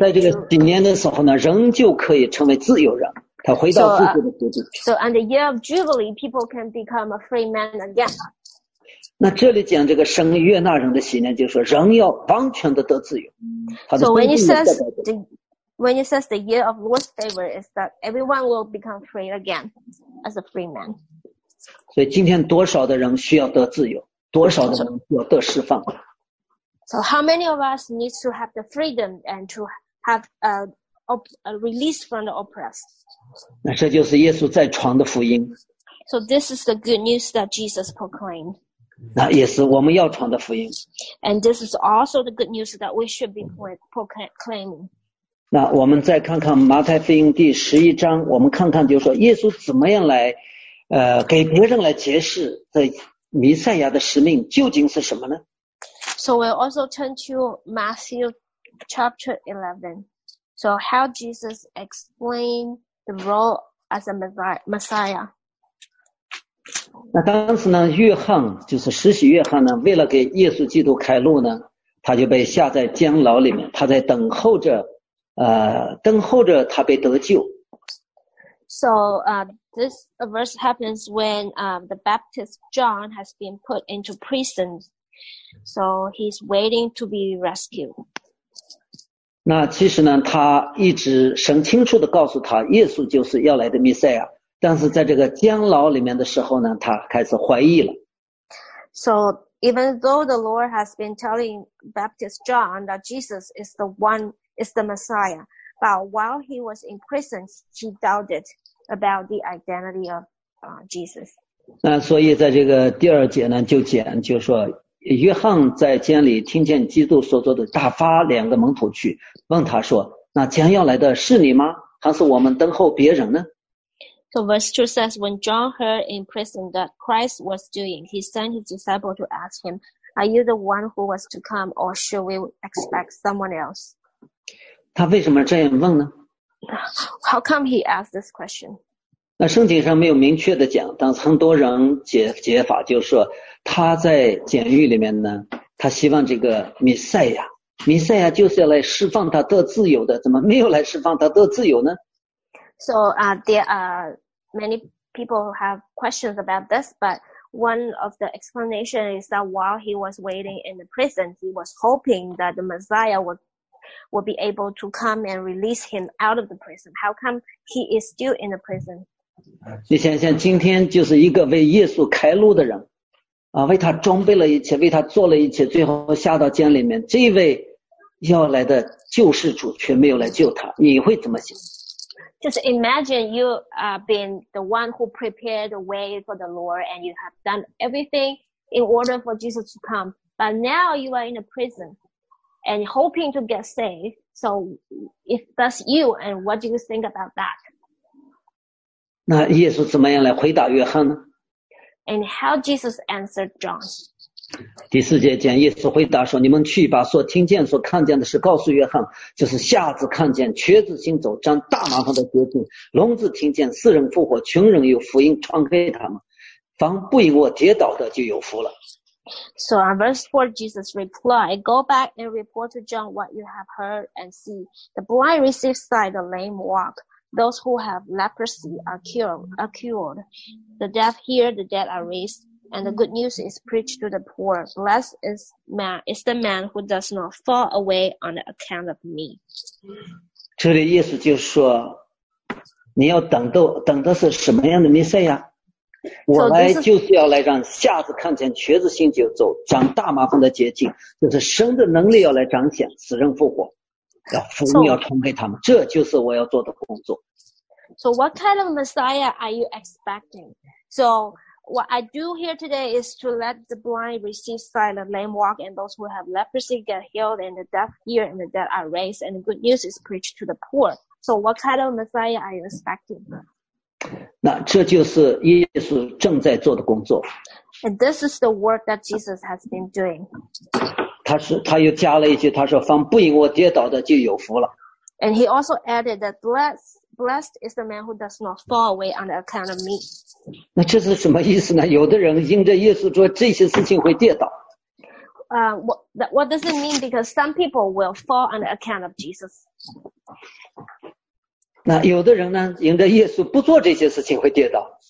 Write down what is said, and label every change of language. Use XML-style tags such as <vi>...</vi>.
<zh>在这个几年的时候呢，人就可以成为自由人，他回到自己的国度。</zh> <en>So, and the year of jubilee, people can become a free man again.</en> <zh>那这里讲这个神悦纳人的喜年，就是说人要完全的得自由。</zh> <en>So when it says the year of Lord's favor is that everyone will become free again as a free man.</en> <zh>所以今天多少的人需要得自由，多少的人需要得释放。</zh> <en>So how many of us need to have the freedom and to have a release from the oppressed?</en> <zh>那这就是耶稣在传的福音。</zh> <en>So this is the good news that Jesus proclaimed.</en> <zh>那也是我们要传的福音。</zh> <en>And this is also the good news that we should be proclaiming.</en> <zh>那我们再看看马太福音第十一章，我们看看就是说耶稣怎么样来，给别人来解释这弥赛亚的使命究竟是什么呢？</zh> <en>So we'll also turn to Matthew chapter 11. So how Jesus explained the role as a Messiah.</en> <zh>那当时呢，约翰就是施洗约翰呢，为了给耶稣基督开路呢，他就被下在监牢里面，他在等候着，等候着他被得救。</zh> <en>So, this verse happens when, the Baptist John has been put into prison. So he's waiting to be rescued.</en> <zh>那其实呢，他一直神清楚地告诉他，耶稣就是要来的弥赛亚。但是在这个监牢里面的时候呢，他开始怀疑了。</zh> <en>So even though the Lord has been telling Baptist John that Jesus is the one, is the Messiah, but while he was in prison, he doubted about the identity of Jesus.</en> <zh>那所以在这个第二节呢，就讲就说，约翰在监里听见基督所做的，大发两个门徒去问他说，那将要来的是你吗？还是我们等候别人呢？</zh> <en>So verse 2 says, when John heard in prison that Christ was doing, he sent his disciple to ask him, are you the one who was to come, or should we expect someone else?</en> <zh>他为什么这样问呢？</zh> <en>How come he asked this question?</en> <zh>那圣经上没有明确的讲，但是很多人 解法就是说，他在监狱里面呢，他希望这个弥赛亚就是要来释放他得自由的，怎么没有来释放他得自由呢？</zh> <en>So, there are many people who have questions about this, but one of the explanations is that while he was waiting in the prison, he was hoping that the Messiah would be able to come and release him out of the prison. How come he is still in the prison?</en> <zh>你想想，今天就是一个为耶稣开路的人，啊，为他装备了一切，为他做了一切，最后下到监里面，这位要来的救世主却没有来救他，你会怎么想？</zh> <en>Just imagine you have been the one who prepared the way for the Lord and you have done everything in order for Jesus to come. But now you are in a prison and hoping to get saved. So if that's you, and what do you think about that?</en> <zh>那耶稣怎么样来回答约翰呢？</zh> <en>And how Jesus answered John?</en> <zh>第四节讲耶稣回答说，你们去把所听见所看见的事告诉约翰，就是瞎子看见，瘸子行走，沾大麻风的洁净，聋子听见，死人复活，穷人有福音传给他们，凡不因我跌倒的就有福了。</zh> <en>So on verse 4 Jesus replied, go back and report to John what you have heard and see. The blind receive sight, the lame walk, those who have leprosy are cured, the deaf hear, the dead are raisedAnd the good news is preached to the poor. Blessed is the man who does not fall away on the account of me.</en> <zh>这里意思就是说，你要等的是什么样的弥赛亚？我来就是要来让瞎子看见，瘸子行走，长大麻风的洁净，就是神的能力要来彰显，死人复活，要福音要传给他们，这就是我要做的工作。</zh> <en>So what kind of Messiah are you expecting? So,What I do here today is to let the blind receive sight, the lame walk, and those who have leprosy get healed, and the deaf hear, and the dead are raised, and the good news is preached to the poor. So what kind of Messiah are you expecting?</en> <zh>那这就是耶稣正在做的工作。</zh> <en>And this is the work that Jesus has been doing.</en> <zh>他又加了一句，他说，凡不因我跌倒的就有福了。</zh> <en>And he also added that blessed is the man who does not fall away on the account of me.</en> <zh>那这是什么意思呢？有的人因着耶稣做这些事情会跌倒。</zh> <en>What does it mean? Because some people will fall on the account of Jesus.</en> <zh>那有的人呢，因着耶稣不做这些事情会跌倒。</zh>